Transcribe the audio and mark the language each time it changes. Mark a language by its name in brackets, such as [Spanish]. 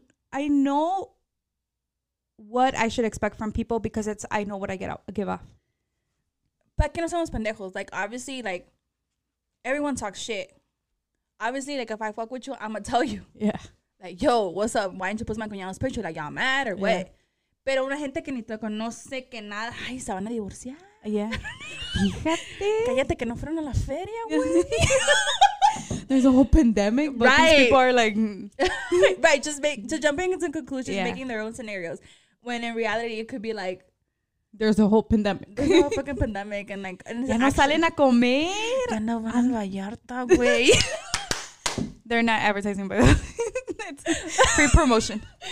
[English] I know what I should expect from people because I know what I give off. [Spanish] ¿Para qué no somos pendejos? [English] Like, obviously, like, everyone talks shit. Obviously, like, if I fuck with you, I'm gonna tell you. Yeah. Like, yo, what's up? Why didn't you post my cuñado's picture? Like, y'all mad or what? Yeah. [Spanish] Pero una gente que ni te conoce que nada. Ay, se van a divorciar. Yeah. Fíjate. Cállate que no fueron a la feria, güey. [English] There's a whole pandemic, but right. These people are like. Right, just jumping into conclusions, making their own scenarios. When in reality, it could be like. There's a whole pandemic. There's a whole fucking pandemic. And like. And [Spanish] ya no [English] actually, [Spanish] salen a comer. Ya no van a Vallarta, güey. [English] They're not advertising, but it's free promotion.